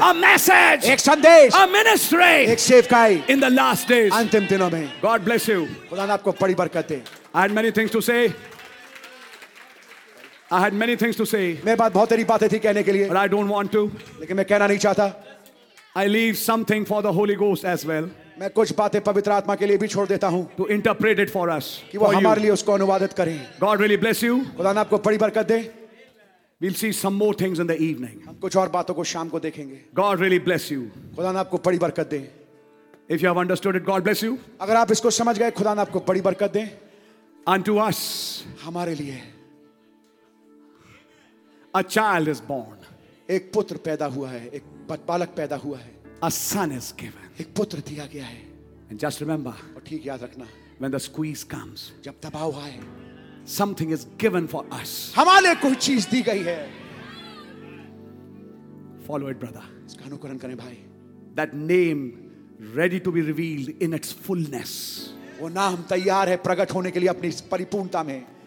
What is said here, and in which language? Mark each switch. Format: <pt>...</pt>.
<en>a message,</en> <hi>एक संदेश,</hi> <en>a ministry,</en> <hi>एक सेवकाई,</hi> <en>in the last days,</en> <hi>अंतिम दिनों में.</hi> <en>God bless you.</en> <hi>खुदा ने आपको बड़ी बरकत दे.</hi> <en>I had many things to say.</en> <hi>मेरे पास बहुत सारी बातें थी कहने के लिए.</hi> <en>But I don't want to.</en> <hi>लेकिन मैं कहना नहीं चाहता.</hi> <en>I leave something for the Holy Ghost as well.</en> <hi>मैं कुछ बातें पवित्र आत्मा के लिए भी छोड़ देता हूँ.</hi> <en>To interpret it for us.</en> <hi>कि वो हमारे लिए उसको अनुवादित करें.</hi> <en>God really bless you.</en> <hi>खुदा ने आपको बड़ी बरकत दे.</hi> <en>We'll see some more things in the evening.</en> <hi>कुछ और बातों को शाम को देखेंगे.</hi> <en>God really bless you.</en> <hi>खुदा ने आपको बड़ी बरकत दे.</hi> <en>If you have understood it, God bless you.</en> <hi>अगर आप इसको समझ गए, खुदा ने आपको बड़ी बरकत दे.</hi> <en>Unto us.</en> <hi>हमारे लिए.</hi> <en>A child is born.</en> <hi>एक पुत्र पैदा हुआ है. एक बालक पैदा हुआ है.</hi> <en>A son is given.</en> <hi>एक पुत्र दिया गया है.</hi> <en>And just remember.</en> <hi>और ठीक याद रखना.</hi> <en>When the squeeze comes.</en> <hi>जब दबाव आए.</hi> <en>Something is given for us.</en> <hi>हमारे लिए कोई चीज दी गई है.</hi> <en>Follow it, brother.</en> <hi>इसका अनुकरण करें भाई.</hi> <en>That name ready to be revealed in its fullness.</en> <hi>वो नाम तैयार है प्रकट होने के लिए अपनी परिपूर्णता में.</hi>